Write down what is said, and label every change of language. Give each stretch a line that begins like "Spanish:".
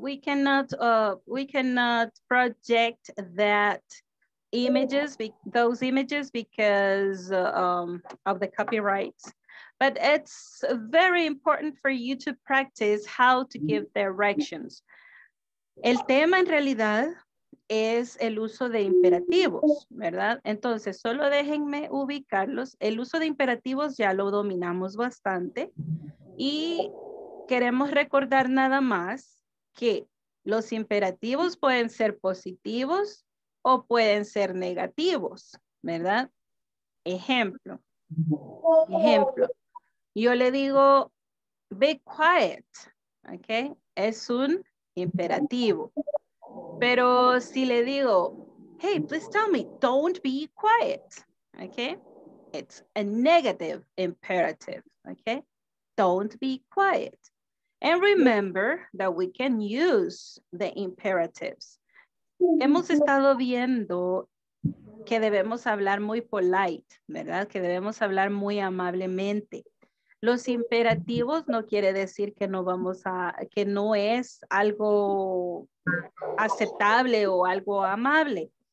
English: We cannot project that images, those images, because of the copyrights. But it's very important for you to practice how to give directions.
Spanish: El tema en realidad es el uso de imperativos, ¿verdad? Entonces, solo déjenme ubicarlos. El uso de imperativos ya lo dominamos bastante. Y queremos recordar nada más que los imperativos pueden ser positivos o pueden ser negativos, ¿verdad? Ejemplo. Yo le digo,
English: be quiet,
Spanish: ¿ok? Es un imperativo. Pero si le digo,
English: hey, please tell me, don't be quiet,
Spanish: ¿ok?
English: It's a negative imperative, ¿ok? Don't be quiet. And remember that we can use the imperatives.
Spanish: Hemos estado viendo que debemos hablar muy polite, ¿verdad? Que debemos hablar muy amablemente. Los imperativos no quiere decir que no vamos a, que no es algo aceptable o algo amable.